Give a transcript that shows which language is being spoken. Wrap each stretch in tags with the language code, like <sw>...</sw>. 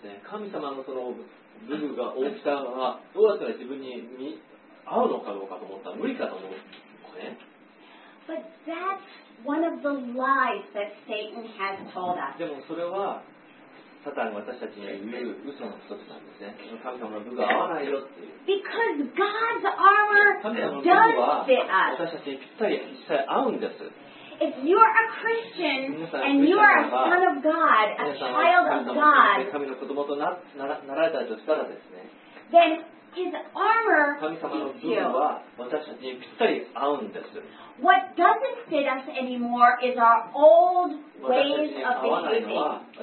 <ja>神様のその武具が大きさはどうやったら自分に合うのかどうかと思ったら無理かと思うんですね。</ja> <en>But that's one of the lies that Satan has told us.</en> <ja>でもそれはサタンが私たちに言う嘘の一つなんですね。神様の武具が合わないよっていう。</ja> <en>Because God's armor does fit us.</en> <ja>私たちにぴったり実際合うんです。</ja> <en>If you are a Christian and you are a son of God, a child of God,</en> <ja>神の子供となられたとしたらですね。</ja> <en>Then His armor is you. What doesn't fit us anymore is our old ways of</en>